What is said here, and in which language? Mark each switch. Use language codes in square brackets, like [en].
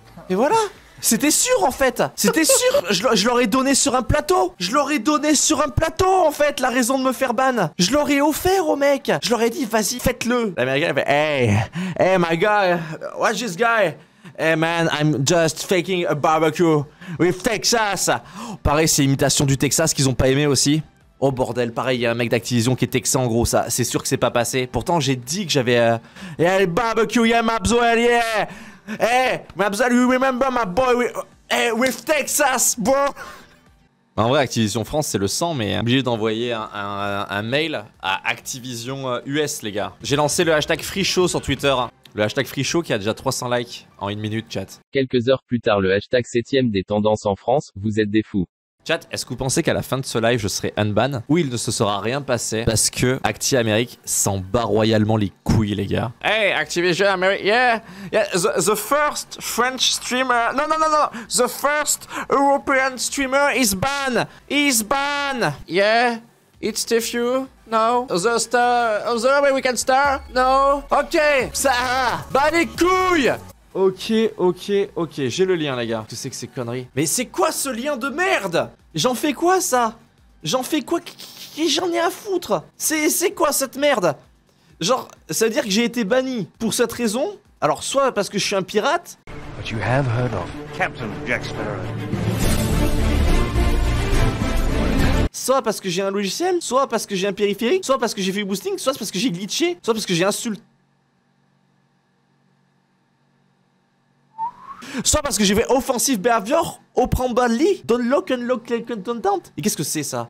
[fr] Et voilà! C'était sûr, en fait! C'était sûr! Je l'aurais donné sur un plateau! Je l'aurais donné sur un plateau, en fait, la raison de me faire ban! Je l'aurais offert au mec! Je l'aurais dit, vas-y, faites-le! L'américain, il fait, [en] hey, my guy! Watch this guy! Hey, man, I'm just faking a barbecue with Texas! [fr] Pareil, c'est l'imitation du Texas qu'ils ont pas aimé aussi. Oh, bordel, pareil, il y a un mec d'Activision qui est texan, en gros, ça. C'est sûr que c'est pas passé. Pourtant, j'ai dit que j'avais... [en] Yeah, le barbecue, yeah, Mabzwell, yeah! Hey, Mabzwell, you remember my boy with Texas, bro? [fr] En vrai, Activision France, c'est le sang, mais obligé d'envoyer un mail à Activision US, les gars. J'ai lancé le hashtag Free Show sur Twitter. Le hashtag Free Show qui a déjà 300 likes en une minute, chat. Quelques heures plus tard, le hashtag 7ème des tendances en France, vous êtes des fous. Chat, est-ce que vous pensez qu'à la fin de ce live, je serai unban? Ou il ne se sera rien passé parce que Acti Amérique s'en bat royalement les couilles, les gars. [en] Hey, Activision Amérique, yeah, the first French streamer, non, the first European streamer is ban, yeah, it's Tefu, no, the American star, no, okay, [fr] ça, bat les couilles. Ok, j'ai le lien, les gars. Tu sais que c'est connerie. Mais c'est quoi ce lien de merde? J'en fais quoi, ça? J'en fais quoi? J'en ai à foutre. C'est quoi cette merde? Genre, ça veut dire que j'ai été banni pour cette raison? Alors, soit parce que je suis un pirate. [en] But you have heard of Captain Jack Sparrow. [fr] Soit parce que j'ai un logiciel, soit parce que j'ai un périphérique, soit parce que j'ai fait boosting, soit parce que j'ai glitché, soit parce que j'ai insulté. Soit parce que j'ai fait [en] offensive behavior, open badly, don't lock and lock [fr] quelqu'un content. Et qu'est-ce que c'est ça?